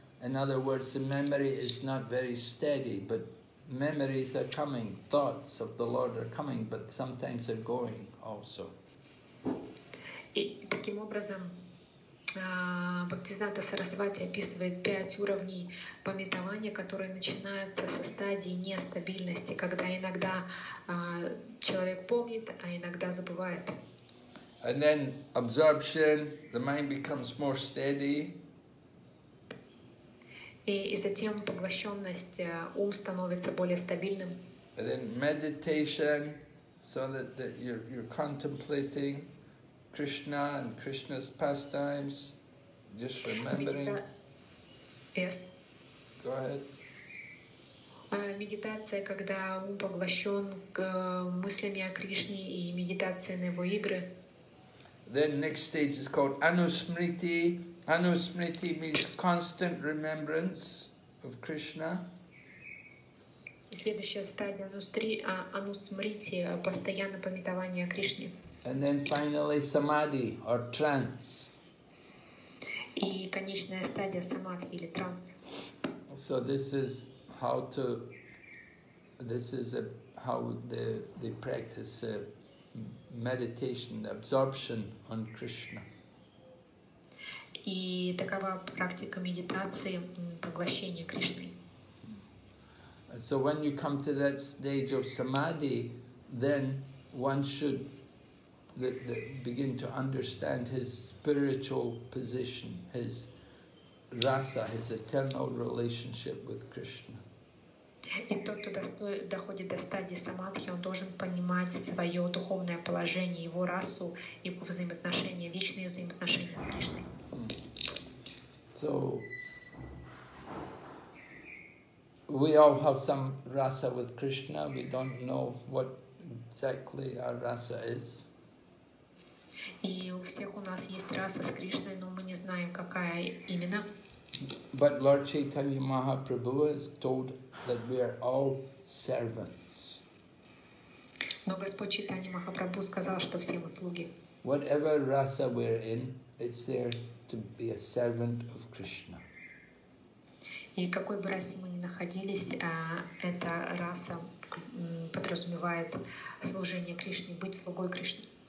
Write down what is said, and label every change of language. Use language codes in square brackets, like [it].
[en] In other words, the memory is not very steady, but memories are coming, thoughts of the Lord are coming, but sometimes they're going also. [ru] И таким образом, Бхактисиддханта Сарасвати описывает пять уровней памятования, которые начинаются со стадии нестабильности, когда иногда человек помнит, а иногда забывает. [en] And then absorption, the mind becomes more steady. [ru] И затем поглощенность, ум становится более стабильным. [en] And then meditation, so that you're contemplating Krishna and Krishna's pastimes, just remembering. Yes. Go ahead. [ru] Медитация, когда ум поглощен мыслями о Кришне и медитация на его игры. [en] Then next stage is called Anusmriti. Anusmriti means constant remembrance of Krishna. [ru] Следующая стадия Anusmriti, постоянное памятование о Кришне. [en] And then finally Samadhi or trance. [ru] И конечная стадия Samadhi или транс. [en] So this is how they practice meditation, the absorption on Krishna. [ru] И такова практика медитации поглощения Кришны. [en] So when you come to that stage of samadhi, then one should begin to understand his spiritual position, his rasa, his eternal relationship with Krishna. [ru] И тот, кто доходит до стадии самадхи, он должен понимать свое духовное положение, его расу, его взаимоотношения, личные взаимоотношения с Кришной. [en] So, we all have some rasa with Krishna. We don't know what exactly our rasa is. [ru] И у всех у нас есть раса с Кришной, но мы не знаем, какая именно. [en] But Lord Chaitanya Mahaprabhu has told that we are all servants. [ru] Но Господь Чайтанья Махапрабху сказал, что все мы слуги. [en] Whatever rasa we're in, it's there to be a servant of Krishna. [ru] И какой бы расе мы ни находились, эта раса подразумевает служение Кришне, быть слугой Кришны.